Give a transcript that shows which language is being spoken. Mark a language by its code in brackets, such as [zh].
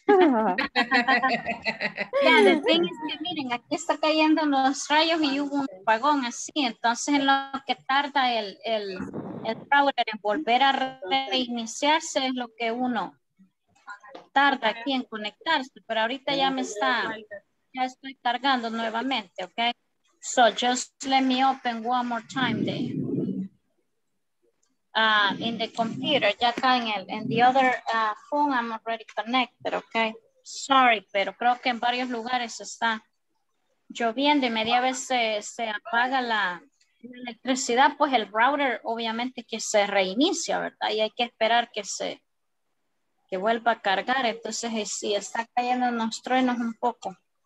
[en] Yeah, the thing is [es] que miren, aquí está cayendo los rayos y hubo un apagón así, entonces lo que tarda el router en volver a reiniciarse es lo que uno tarda aquí en conectarse, pero ahorita ya me está, ya estoy cargando nuevamente, okay? [en] So just let me open one more time the in the computer, [es] ya acá en [en] the other phone I'm already connected, okay? [es] Sorry, pero creo que en varios lugares está lloviendo y media vez se apaga la electricidad, pues el router obviamente que se reinicia, ¿verdad? Y hay que esperar que se que vuelva a cargar, entonces sí, está cayendo en los truenos un poco.